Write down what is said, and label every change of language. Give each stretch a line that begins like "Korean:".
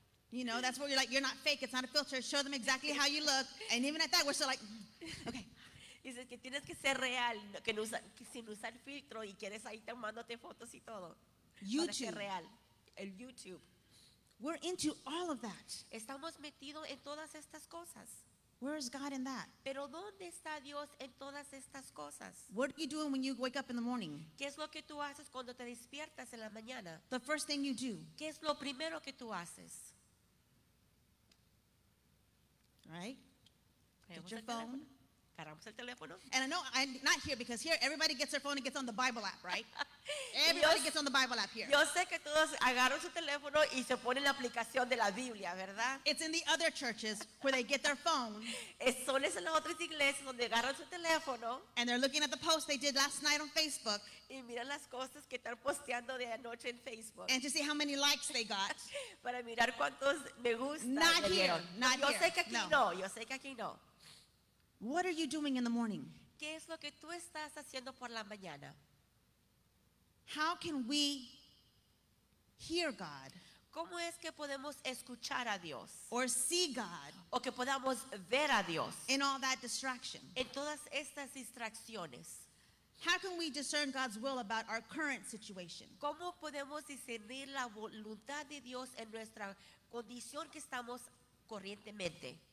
English: You know, that's where you're like, you're not fake. It's not a filter. Show them exactly how you look. And even at that, we're still like, okay.
Spanish: Dices que tienes que ser real, que no usa, que sin usar filtro y quieres ahí tomándote fotos y todo.
English: YouTube.
Spanish: Para ser real. El YouTube.
English: We're into all of that.
Spanish: Estamos metidos en todas estas cosas.
English: Where is God in that?
Spanish: Pero ¿dónde está Dios en todas estas cosas?
English: What are you doing when you wake up in the morning?
Spanish: ¿Qué es lo que tú haces cuando te despiertas en la mañana?
English: The first thing you do.
Spanish: ¿Qué es lo primero que tú haces?
English: Right? Get your phone.
Spanish: Cargamos el teléfono.
English: And I know I'm not here because here everybody gets their phone and gets on the Bible app, right? Everybody gets on the Bible app here.
Spanish: Yo sé que todos agarran su teléfono y se ponen la aplicación de la Biblia, ¿verdad?
English: It's in the other churches where they get their phone.
Spanish: Son en las otras iglesias donde agarran su teléfono.
English: And they're looking at the post they did last night on Facebook.
Spanish: Y miran las cosas que están posteando de anoche en Facebook.
English: And to see how many likes they got.
Spanish: Para mirar cuántos me gusta.
English: Not here.
Spanish: Dieron.
English: Not
Spanish: yo
English: here.
Spanish: Yo sé que aquí no. Yo sé que aquí no.
English: What are you doing in the morning?
Spanish: ¿Qué es lo que tú estás haciendo por la mañana?
English: How can we hear God?
Spanish: ¿Cómo es que podemos escuchar a Dios?
English: Or see God?
Spanish: O que podamos ver a Dios?
English: In all that distraction.
Spanish: En todas estas distracciones.
English: How can we discern God's will about our current situation?
Spanish: ¿Cómo podemos discernir la voluntad de Dios en nuestra condición que estamos corrientemente?